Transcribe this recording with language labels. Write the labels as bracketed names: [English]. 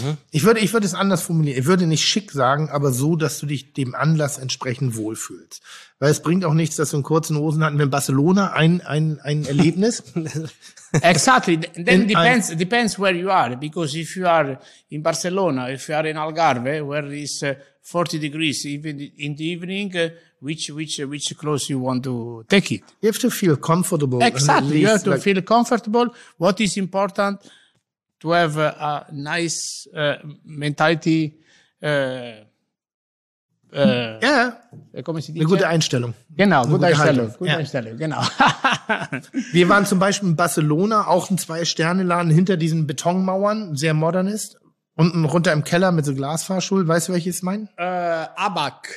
[German] Ich würde es anders formulieren. Ich würde nicht schick sagen, aber so, dass du dich dem Anlass entsprechend wohlfühlst. Weil es bringt auch nichts, dass du in kurzen Hosen hatten wir in Barcelona ein Erlebnis. [English] Exactly. Then depends where you are. Because if you are in Barcelona, if you are in Algarve, where it's 40 degrees even in the evening, which clothes you want to take it? You have to feel comfortable. Exactly. You have to feel comfortable. What is important to have a nice mentality. [German] Eine gute Einstellung. Genau, gute Einstellung. Genau. Wir waren zum Beispiel in Barcelona, auch ein Zwei-Sterne-Laden hinter diesen Betonmauern, sehr modernist. Unten runter im Keller mit so Glasfahrschul. Weißt du, welches ich meine? Abak.